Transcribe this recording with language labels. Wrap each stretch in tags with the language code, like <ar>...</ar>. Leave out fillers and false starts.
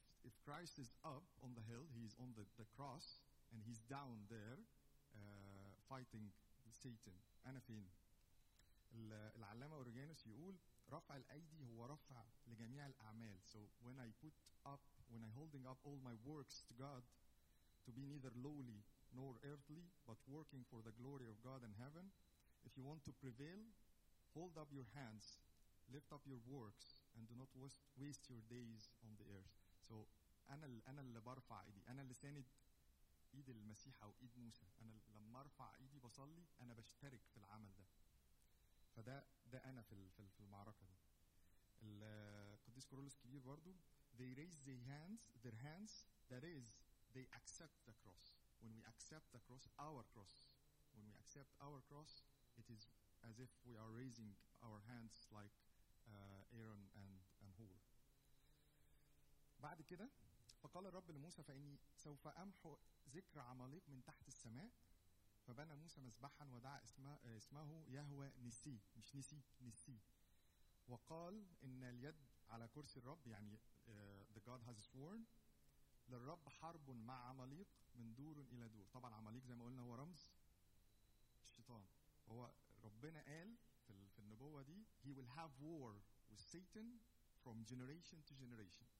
<en>If Christ is up on the hill, he's on the cross and he's down there fighting the Satan.</en> <ar>أنا فين؟ العلامة أوريجانوس يقول رفع الأيدي هو رفع لجميع الأعمال.</ar> <en>So when I put up, when I holding up all my works to God, to be neither lowly nor earthly, but working for the glory of God in heaven. If you want to prevail, hold up your hands, lift up your works, and do not waste your days on the earth.</en> <ar>So أنا اللي برفع إيدي. أنا اللي ساند إيد المسيح أو إيد موسى. أنا لما أرفع إيدي بصلي. أنا بشترك في العمل ده. فده أنا في المعركة دي. القديس كورولوس كبير برضو.</ar> <en>They raise their hands. That is, they accept the cross. When we accept the cross, our cross. When we accept our cross, it is as if we are raising our hands like Aaron and Hur.</en> <ar>بعد كده فقال الرب لموسى فإني سوف أمحو ذكر عمالق من تحت السماء. فبنى موسى مسبحا ودعا اسمه يهوى نسي, مش نسي, نسي. وقال إن اليد على كرسي الرب, يعني</ar> <en>the God has sworn,</en> <ar>للرب حرب مع عمالق من دور إلى دور. طبعا عمالق زي ما قلنا هو رمز الشيطان. هو ربنا قال في النبوة دي</ar> <en>he will have war with Satan from generation to generation.</en>